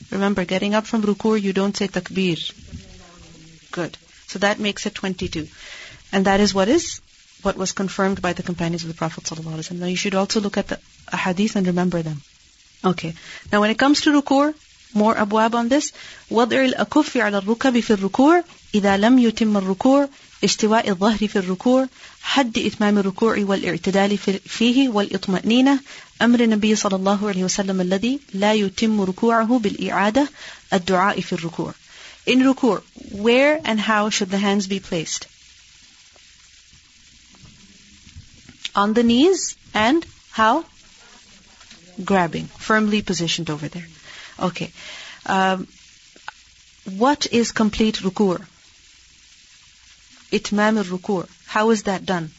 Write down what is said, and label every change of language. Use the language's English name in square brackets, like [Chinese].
[English] Remember, getting up from rukur, you don't say takbir. Good. So that makes it 22. And that is what was confirmed by the companions of the Prophet ﷺ. Now you should also look at the hadith and remember them. Okay. Now when it comes to rukur, more abwab on this. [Arabic] وَضْعِ الْأَكُفِّ عَلَى الرُّكَبِ فِي الرُّكُورِ إِذَا لَمْ يُتِمَّ الرُّكُورِ اِشْتِوَاءِ الظَّهْرِ فِي الرُّكُورِ حَدِّ إِتْمَامِ الرُّكُورِ وَالْإِعْتِدَالِ فِيهِ وَالْإِطْمَأْنِينَةِ أمر النبي صلى الله عليه وسلم الذي لا يتم ركوعه بالإعادة الدعاء في الركوع. [English] In ركوع, where and how should the hands be placed? On the knees and how? Grabbing, firmly positioned over there. Okay. What is complete ركوع? [Arabic] إتمام الركوع. [English] How is that done?